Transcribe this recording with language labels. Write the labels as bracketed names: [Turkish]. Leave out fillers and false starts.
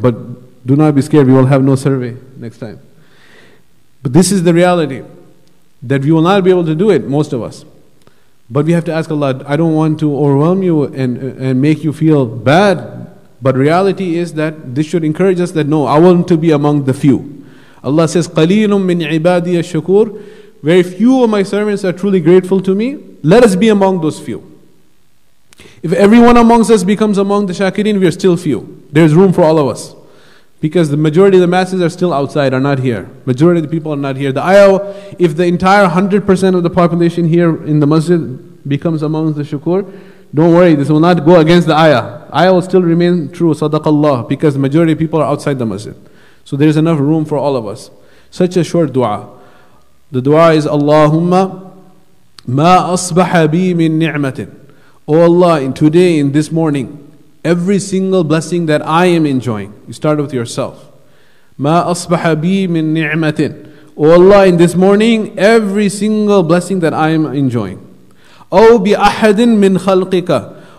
[English] But do not be scared, we will have no survey next time. But this is the reality, that we will not be able to do it, most of us. But we have to ask Allah, I don't want to overwhelm you and make you feel bad. But reality is that this should encourage us that no, I want to be among the few. [Arabic] Allah says, قَلِيلٌ مِّنْ عِبَادِيَ الشَّكُورِ. [English] Very few of my servants are truly grateful to me. Let us be among those few. If everyone amongst us becomes among the shakirin, we are still few. There is room for all of us. Because the majority of the masses are still outside, are not here. Majority of the people are not here. The ayah, if the entire 100% of the population here in the masjid becomes among the shukur, don't worry, this will not go against the ayah. Ayah will still remain true, sadaqallah, because the majority of people are outside the masjid. So there is enough room for all of us. Such a short dua. The dua is, [Arabic] Allahumma, مَا أَصْبَحَ بِي مِن نِعْمَةٍ. [English] O Allah, in today, in this morning, every single blessing that I am enjoying, you start with yourself. [Arabic] مَا أَصْبَحَ بِي مِن نِعْمَةٍ. [English] O Allah, in this morning, every single blessing that I am enjoying. [Arabic] أَوْ بِأَحَدٍ مِن خَلْقِكَ.